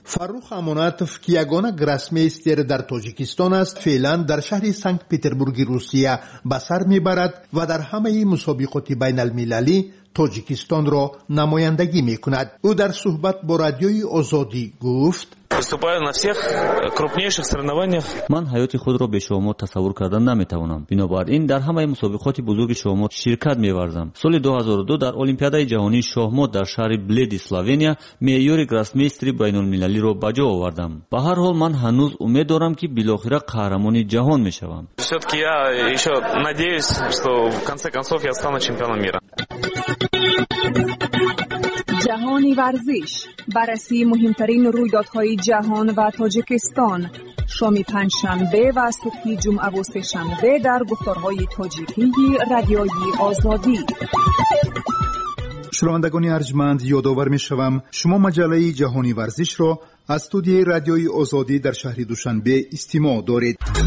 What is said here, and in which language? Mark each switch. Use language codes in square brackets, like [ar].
[fa] فرخ اماناتوف که یگانه گراسمیستر در تاجیکستان است، فعلا در شهر سنگ پیتربورگ روسیه به سر می‌برد و در همه مسابقات بین‌المللی تاجیکستان را نمایندگی می‌کند. او در صحبت با رادیوی آزادی گفت: [ru] Виступаю на всех крупнейших соревнованиях. [tg] Ман ҳаёти худро бе шумо тасаввур кардан наметавонам. Бинобар ин дар ҳамаи мусобиқоти бузурги шумо ширкат меварзам. Соли 2002 дар олимпиадаи ҷаҳонии шоҳмот дар шаҳри Бледи, Словения, меъёри гроссмейстри байналмилалиро ба ҷо овардам. Ба ҳар ҳол ман ҳанӯз умед дорам, ки билохира қаҳрамони ҷаҳон мешавам. [ru] Всё-таки я ещё надеюсь, что в конце концов я стану чемпионом мира. [fa] جهانی ورزش، بررسی مهمترین رویدادهای جهان و تاجیکستان، شامی پنجشنبه و صبحی جمعه و سه‌شنبه در گفتارهای تاجیکی رادیویی آزادی. شنوندگان ارجمند، یادآور می‌شوم شما مجله جهانی ورزش را از استودیوی رادیویی آزادی در شهر دوشنبه استماع دارید.